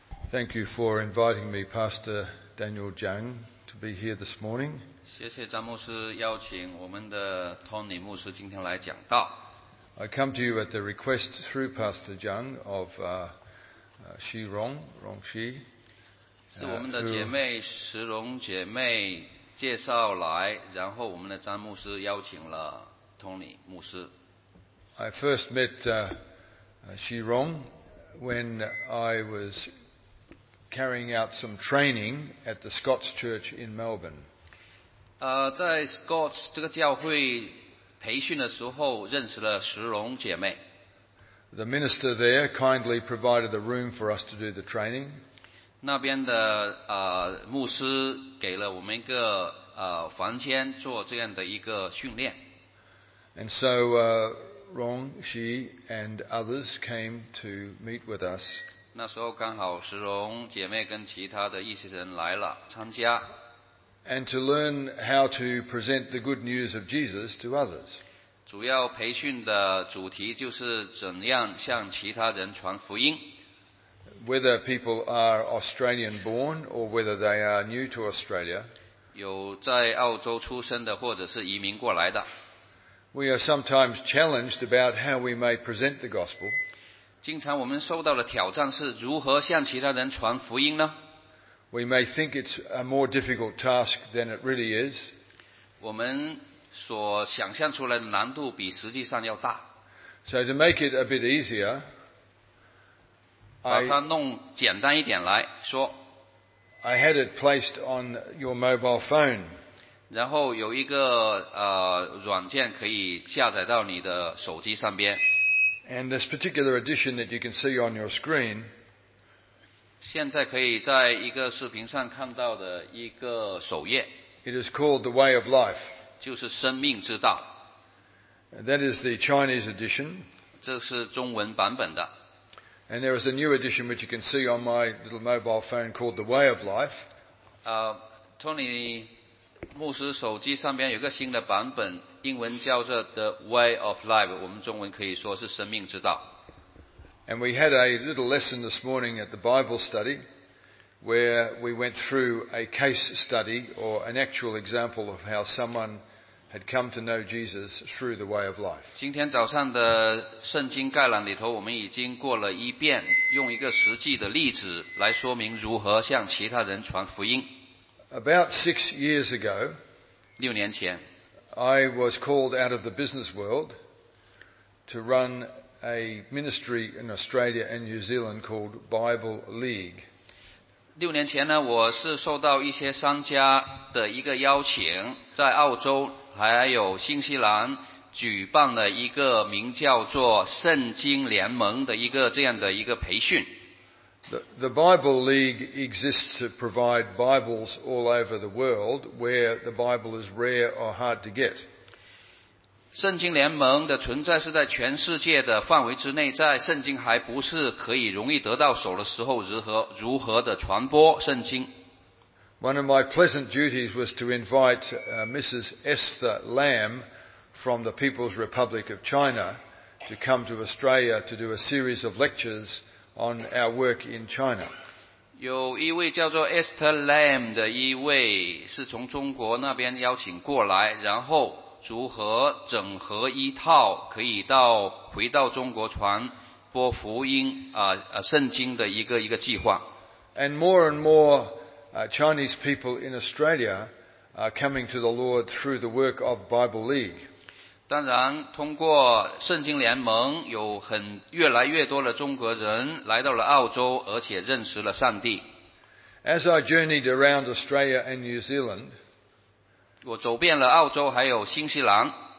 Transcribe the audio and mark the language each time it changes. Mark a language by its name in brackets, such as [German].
[English] Thank you for inviting me, Pastor Daniel Jiang, to be here this morning. [Chinese] 谢谢张牧师邀请我们的 Tony 牧师今天来讲道。 [English] I come to you at the request through Pastor Jiang of Shi Rong, Rong Shi. [Chinese] 是我们的姐妹石荣姐妹介绍来，然后我们的张牧师邀请了 Tony 牧师。 [English] I first met Shi Rong when I was carrying out some training at the Scots Church in Melbourne. [Chinese] 在 Scots 这个教会培训的时候认识了石荣姐妹。 [English] The minister there kindly provided a room for us to do the training. [Chinese] 那边的牧师给了我们一个房间做这样的一个训练。 [English] And so Rong, Shi and others came to meet with us. [Chinese] 那时候刚好石荣姐妹跟其他的一些人来了参加。 [English] And to learn how to present the good news of Jesus to others. [Chinese] 主要培训的主题就是怎样向其他人传福音。 [English] Whether people are Australian born or whether they are new to Australia. [Chinese] 有在澳洲出生的或者是移民过来的。 [English] We are sometimes challenged about how we may present the gospel. [Chinese] 经常我们受到的挑战是如何向其他人传福音呢？ [English] We may think it's a more difficult task than it really is. [Chinese] 我们所想象出来的难度比实际上要大。 [English] So to make it a bit easier, [Chinese] 把它弄简单一点来说。 [English] I had it placed on your mobile phone. [Chinese] 然后有一个软件可以下载到你的手机上边。 [English] And this particular edition that you can see on your screen, [Chinese] 现在可以在一个视频上看到的一个首页。 [English] It is called The Way of Life. [Chinese] 就是生命之道。 [English] That is the Chinese edition. [Chinese] 这是中文版本的。 [English] And there is a new edition which you can see on my little mobile phone called The Way of Life. [Chinese] Tony 牧师手机上边有个新的版本。英文叫做 The Way of Life， 我们中文可以说是生命之道。 [English] And we had a little lesson this morning at the Bible study, where we went through a case study or an actual example of how someone had come to know Jesus through the Way of Life. [Chinese] 今天早上的圣经概览里头，我们已经过了一遍，用一个实际的例子来说明如何向其他人传福音。 [English] About 6 years ago, [Chinese] 六年前。 [English] I was called out of the business world to run a ministry in Australia and New Zealand called Bible League. [Chinese] 六年前呢，我是受到一些商家的一个邀请，在澳洲还有新西兰举办了一个名叫做圣经联盟的一个这样的一个培训。 [English] The Bible League exists to provide Bibles all over the world where the Bible is rare or hard to get. [Chinese] 圣经联盟的存在是在全世界的范围之内，在圣经还不是可以容易得到手的时候，如何的传播圣经。 [English] One of my pleasant duties was to invite Mrs. Esther Lam from the People's Republic of China to come to Australia to do a series of lecturesOn our work in China. [Chinese] 有一位叫做 Esther Lam 的一位是从中国那边邀请过来，然后如何整合一套可以到回到中国传播福音圣经的一个计划。 [English] And more and more Chinese people in Australia are coming to the Lord through the work of Bible League. [Chinese] 当然通过圣经联盟有很越来越多的中国人来到了澳洲，而且认识了上帝。 [English] As I journeyed around Australia and New Zealand, [Chinese] 我走遍了澳洲还有新西兰。